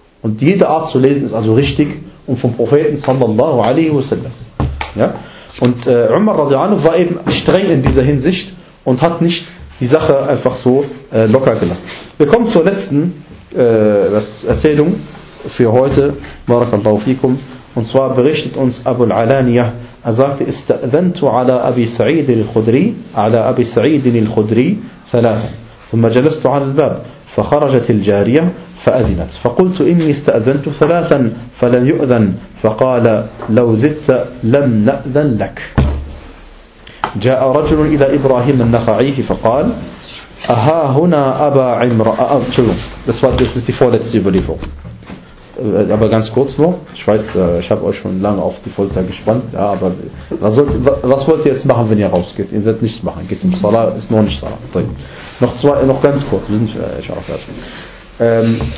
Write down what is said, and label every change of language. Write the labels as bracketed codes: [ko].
[de] Und jede Art zu lesen ist also richtig und vom Propheten sallallahu alaihi wasallam. Ja? Und Umar radiallahu war eben streng in dieser Hinsicht und hat nicht die Sache einfach so locker gelassen. Wir kommen zur letzten Erzählung für heute. Barakallahu fikum. Und zwar berichtet uns Abu al-Alaniyah. Er sagte, [ar] استأذنت على أبي سعيد الخدري على أبي سعيد الخدري ثلاثة ثم جلست على الباب فخرجت الجارية فأذنت فقلت إني استأذنت ثلاثا فلن يؤذن فقال لو زدت لم نأذن لك. جاء رجل إلى إبراهيم النخعي فقال أها هنا أبا عمران. [de] Das war das ist die vorletzte Überlieferung. Aber ganz kurz noch, ich weiß, ich habe euch schon lange auf die Folter gespannt, ja, aber was wollt ihr jetzt machen, wenn ihr rausgeht? Ihr werdet nichts machen, geht im Salah, ist noch nicht Salah. So, noch ganz kurz, wir sind schon auf der Seite.